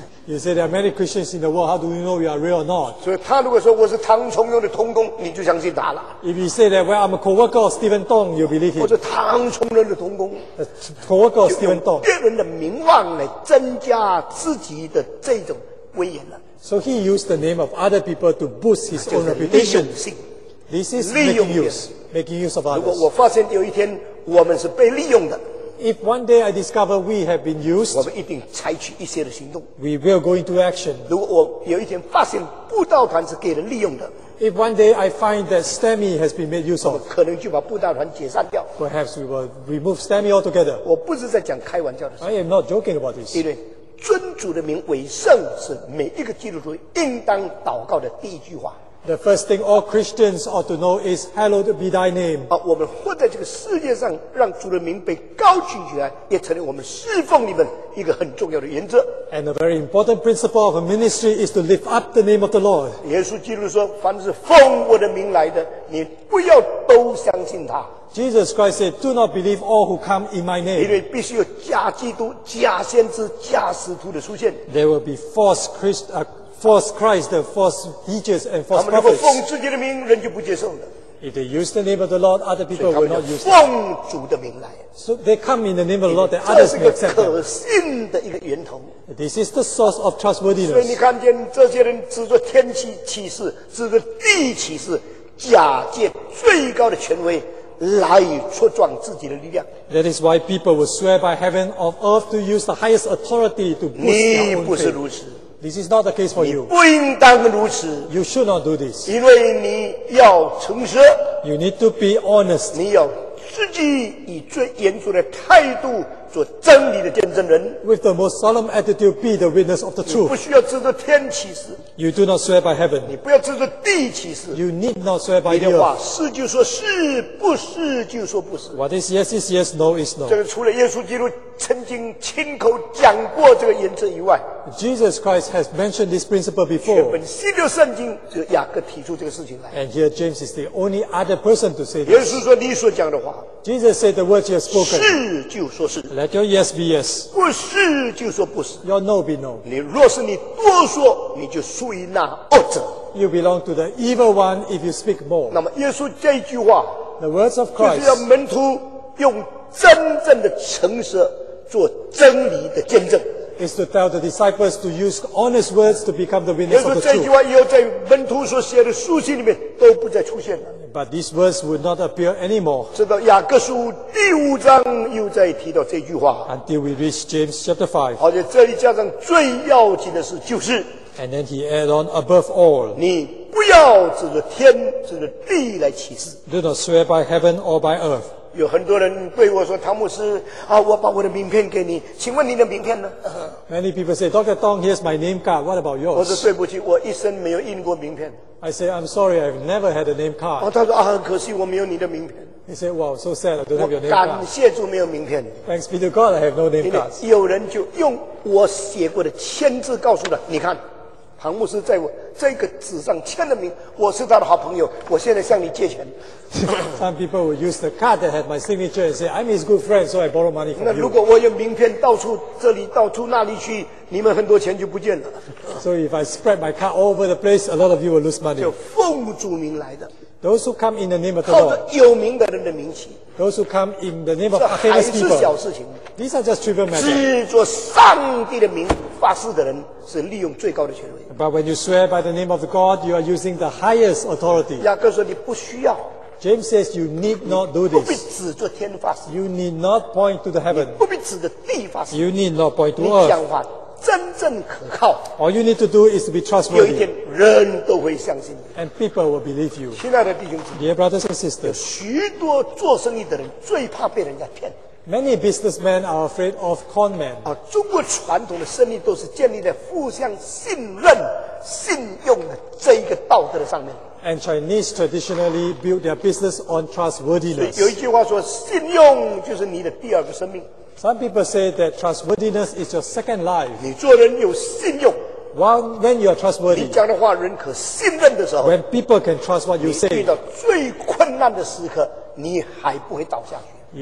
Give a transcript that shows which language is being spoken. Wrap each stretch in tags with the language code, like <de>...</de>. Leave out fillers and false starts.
<en>？You say there are many Christians in the world. How do you know you are real or not?</en> <zh>所以他如果说我是唐崇荣的同工，你就相信他了。</zh> <en>If you say that well, I'm a co-worker of Stephen Tong, you believe him.</en> <zh>我是唐崇荣的同工</zh> <en>，co-worker of Stephen Tong.</en> <zh>别人的名望来增加自己的这种威严了。</zh> <en>So he used the name of other people to boost his own reputation. This is making use of others.</en> <zh>如果我发现有一天我们是被利用的。</zh> <en>If one day I discover we have been used,</en> <zh>我们一定采取一些的行动。</zh> <en>We will go into action.</en> <zh>如果我有一天发现布道团是给人利用的。</zh> <en>If one day I find that STEMI has been made use of,</en> <zh>可能就把布道团解散掉。</zh> <en>Perhaps we will remove STEMI altogether.</en> <zh>我不是在讲开玩笑的事。</zh> <en>I am not joking about this.</en> <zh>因为尊主的名为圣是每一个基督徒应当祷告的第一句话。</zh> <en>The first thing all Christians ought to know is Hallowed be thy name.</en> <zh>我们活在这个世界上，让主的名被高举起来，也成为我们侍奉你们一个很重要的原则。</zh> <en>And a very important principle of a ministry is to lift up the name of the Lord.</en> <zh>耶稣基督说，凡是奉我的名来的，你不要都相信他。</zh> <en>Jesus Christ said, "Do not believe all who come in my name."</en> <zh>因为必须有假基督、假先知、假使徒的出现。</zh> <en>There will be false Christ. False Christ, the false teachers and false prophets.</en> <zh>他们如果奉自己的名，人就不接受的。</zh> <en>If they use the name of the Lord, other people will not use</en> <zh>it. 奉主的名来。</zh> <en>So they come in the name of the Lord, that others may accept them.</en> <zh>这是一个可信的一个源头。</zh> <en>This is the source of trustworthiness.</en> <zh>所以你看见这些人指着天启启示，指着地启示，假借最高的权威。来戳撞自己的力量。</zh> <en>That is why people will swear by heaven or earth to use the highest authority to boost their own faith.</en> <zh>你不是如此。</zh> <en>This is not the case for you.</en> <zh>你不应当如此。</zh> <en>You should not do this.</en> <zh>因为你要诚实。</zh> <en>You need to be honest.</en> <zh>你要自己以最严肃的态度做真理的见证人。</zh> <en>With the most solemn attitude, be the witness of the truth.</en> <zh>你不需要指着天启示。</zh> <en>You do not swear by heaven.</en> <zh>你不要指着地启示。</zh> <en>You need not swear by the earth.</en> <zh>你的话是就说是，不是就说不是。</zh> <en>What is yes is yes, no is no.</en> <zh>这个除了耶稣基督曾经亲口讲过这个原则以外</zh> <en>，Jesus Christ has mentioned this principle before.</en> <zh>全本新约圣经只有雅各提出这个事情来。</zh> <en>And here James is the only other person to say this.</en> <zh>耶稣说你所讲的话。</zh> <en>Jesus said the words you have spoken.</en> <zh>是就说是。</zh> <en>Let your yes be yes.</en> <zh>不是就说不是。</zh> <en>Your no be no.</en> <zh>你若是你多说，你就属于那恶者。</zh> <en>You belong to the evil one if you speak more.</en> <zh>那么耶稣这句话</zh> <en>，The words of Christ，</en> <zh>就是要门徒用真正的诚实做真理的见证。</zh> <en>Is to tell the disciples to use honest words to become the witness of the truth.</en> <zh>耶稣这句话以后在门徒所写的书信里面都不再出现了。</zh> <en>But these words would not appear anymore.</en> <zh>直到雅各书第五章又再提到这句话。</zh> <en>Until we reach James chapter 5.</en> <zh>而且这里加上最要紧的是就是。</zh> <en>And then he added on above all.</en> <zh>你不要指着天指着地来起誓。</zh> <en>Do not swear by heaven or by earth.</en> <zh>有很多人对我说唐牧师啊，我把我的名片给你，请问你的名片呢？</zh> <en>Many people say, Dr. Tong, here's my name card. What about yours?</en> <zh>我说对不起，我一生没有印过名片。</zh> <en>I say, I'm sorry, I've never had a name card.</en> <zh>他说啊，很可惜，我没有你的名片。</zh> <en>He said, Wow, so sad, I don't have your name card.</en> <zh>我感谢主没有名片。</zh> <en>Thanks be to God, I have no name cards.</en> <zh>有人就用我写过的签字告诉他，你看，唐牧师在我这个纸上签了名，我是他的好朋友，我现在向你借钱。</zh> <en>Some people will use the card that had my signature and say, I'm his good friend, so I borrow money from you.</en> <zh>那如果我有名片到处这里到处那里去，你们很多钱就不见了。</zh> <en>So if I spread my card all over the place, a lot of you will lose money.</en> <zh>就奉主名来的。</zh> <en>Those who come in the name of the Lord.</en> <zh>靠着有名的人的名气。</zh> <en>Those who come in the name of famous people.</en> <zh>这还是小事情。</zh> <en>These are just trivial matters.</en> <zh>指着上帝的名发誓的人是利用最高的权威。</zh> <en>But when you swear by the name of God, you are using the highest authority.</en> <zh>雅各说你不需要。</zh> <en>James says you need not do this.</en> <zh>不必指着天发誓。</zh> <en>You need not point to the heaven.</en> <zh>不必指着地发誓。</zh> <en>You need not point to earth.</en> <zh>你讲话真正可靠。</zh> <en>All you need to do is to be trustworthy.</en> <zh>有一天人都会相信你。</zh> <en>And people will believe you.</en> <zh>亲爱的弟兄姊妹。</zh> <en>Dear brothers and sisters.</en> <zh>有许多做生意的人最怕被人家骗。</zh> <en>Many businessmen are afraid of con men.</en> <zh>啊，中国传统的生意都是建立在互相信任、信用的这一个道德的上面。</zh> <en>And Chinese traditionally build their business on trustworthiness.</en> <zh>有一句话说，信用就是你的第二个生命。</zh> <en>Some people say that trustworthiness is your second life.</en> <zh>你做人有信用。</zh> <en>When you are trustworthy,</en> <zh>你讲的话人可信任的时候</zh> <en>when people can trust what you say,</en> <zh>你遇到最困难的时刻你还不会倒下去</zh>